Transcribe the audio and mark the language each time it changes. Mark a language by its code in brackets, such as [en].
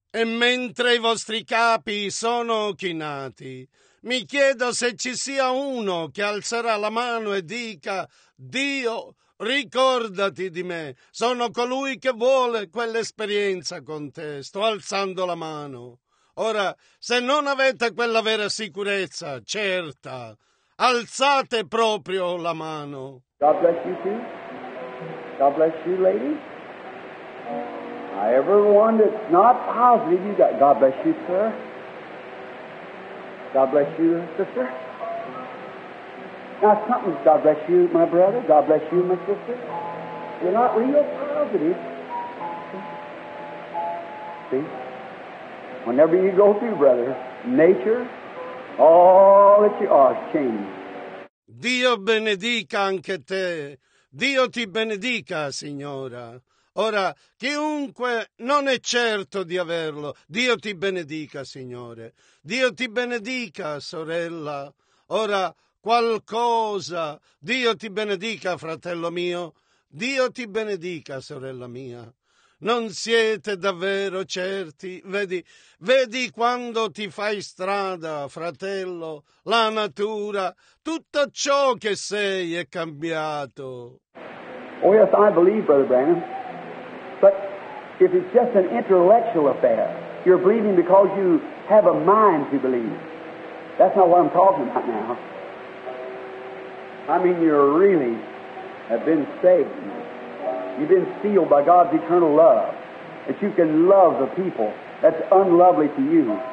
[it] E mentre i vostri capi sono chinati, mi chiedo se ci sia uno che alzerà la mano e dica, Dio, ricordati di me, sono colui che vuole quell'esperienza con te. Sto alzando la mano. Ora, se non avete quella vera sicurezza, certa, alzate proprio la mano. [en] God bless you too. God bless you, lady. Everyone that's not positive, you got. God bless you, sir. God bless you, sister. Now, something. God bless you, my brother. God bless you, my sister. You're not real positive. See? Whenever you go through, brother, nature, all that you are, changes. [it] Dio benedica anche te. Dio ti benedica, signora. Ora, chiunque non è certo di averlo, Dio ti benedica, signore. Dio ti benedica, sorella. Ora, qualcosa. Dio ti benedica, fratello mio. Dio ti benedica, sorella mia. Non siete davvero certi? Vedi quando ti fai strada, fratello, la natura, tutto ciò che sei è cambiato. [en] Oh, yes, I believe, Brother Branham. But if it's just an intellectual affair, you're believing because you have a mind to believe. That's not what I'm talking about now. I mean, you really have been saved. You've been sealed by God's eternal love, that you can love the people that's unlovely to you.